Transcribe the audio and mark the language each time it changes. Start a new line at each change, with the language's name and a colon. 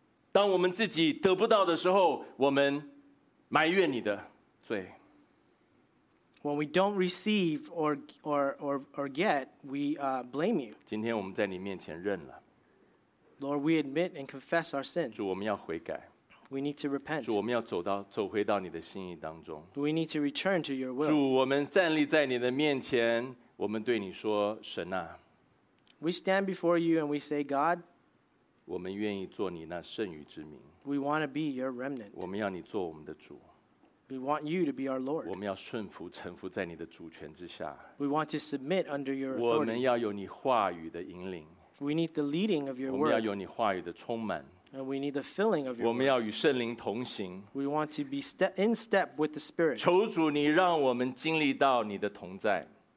Chinese: 当我们自己得不到的时候, 我们埋怨你的罪。
English: When we don't receive or get, we blame you.
Chinese: 今天我们在你面前认了。
English: Lord, we admit and confess our sin.
Chinese: 主，我们要悔改。
English: We need to repent.
Chinese: 主，我们要走回到你的心意当中。
English: We need to return to your will.
Chinese: 主，我们站立在你的面前。我们对你说，神啊。
English: We stand before you and we say, God,
Chinese: 我们愿意做你那剩余之民。
English: We want to be your remnant.
Chinese: 我们要你做我们的主。
English: We want you to be our Lord.
Chinese: 我们要顺服，臣服在你的主权之下。
English: We want to submit under your authority.
Chinese: 我们要有你话语的引领。
English: We need the leading of your word.
Chinese: 我们要有你话语的充满。
English: And we need the filling of your word.
Chinese: 我们要与圣灵同行。
English: We want to be in step with the Spirit.
Chinese: 求主你让我们经历到你的同在。